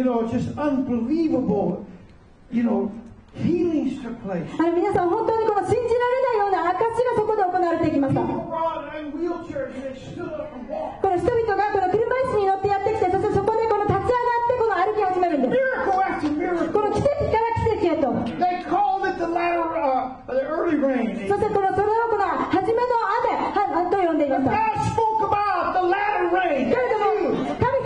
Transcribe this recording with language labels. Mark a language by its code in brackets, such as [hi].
[en] just unbelievable, you know, healings took place. [ja] あの、皆さん、本当にこの信じられないような証しがそこで行われていきました。 [en] People brought in wheelchairs and they stood up and walked. [ja] この人々がこの車椅子に乗ってやってきて、そしてそこでこの立ち上がってこの歩き始めるんです。 [en] Miracle after miracle. [ja] この奇跡から奇跡へと。 [en] They called it the latter, the early rain. [ja] そしてこのそれをこの初めの雨、はい、と呼んでいました。 [en] God spoke about the latter rain.